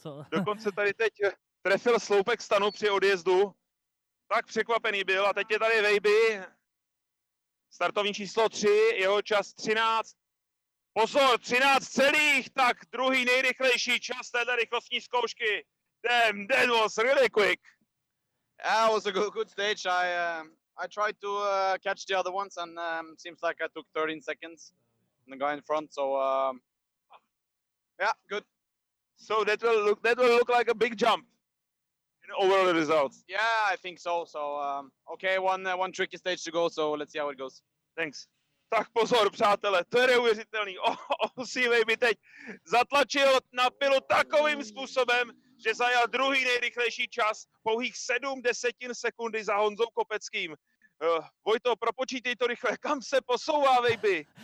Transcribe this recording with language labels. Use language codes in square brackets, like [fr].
[cs] Dokonce tady teď trefil sloupek stanu při odjezdu. Tak překvapený byl. A teď je tady Vejby. Startovní číslo 3. Jeho čas 13. Pozor, 13 celých. Tak druhý nejrychlejší čas téhle rychlostní zkoušky. [en] Damn, that was really quick. Yeah, it was a good stage. I tried to catch the other ones and seems like I took 13 seconds on the guy in front. So yeah, good. So that will look like a big jump in overall results. Yeah, I think so. So okay, one tricky stage to go. So let's see how it goes. Thanks. [cs] Tak pozor, přátelé, to je neuvěřitelný. Osí Vejby teď zatlačil na pilu takovým způsobem, že zajel druhý nejrychlejší čas, pouhých 0,7 sekundy za Honzou Kopeckým. Vojto, propočítej to rychle, kam se posouvá Vejby?